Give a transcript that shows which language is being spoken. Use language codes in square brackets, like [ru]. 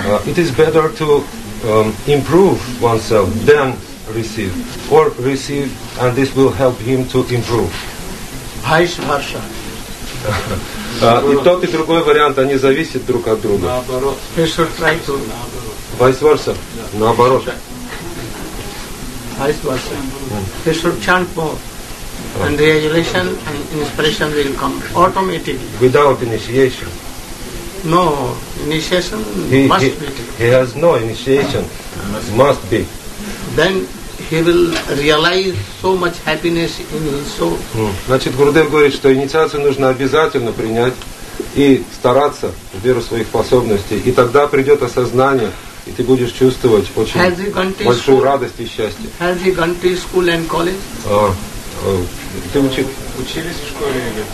[en] It is better to improve oneself than receive, or receive, and this will help him to improve. Vice versa. [ru] И тот, и другой вариант, они зависят друг от друга. Наоборот. [en] We should try to... Vice versa. [ru] Наоборот. [en] Vice versa. We should chant more. And realization and inspiration will come automatically. Without initiation. No, initiation must be. He has no initiation. Must be. Then he will realize so much happiness in his soul. [ru] Значит, Гурудев говорит, что инициацию нужно обязательно принять и стараться в веру своих способностей, и тогда придет осознание, и ты будешь чувствовать очень большую радость и счастье. [en] Has he gone to school and college? [ru] Ты учились в школе или?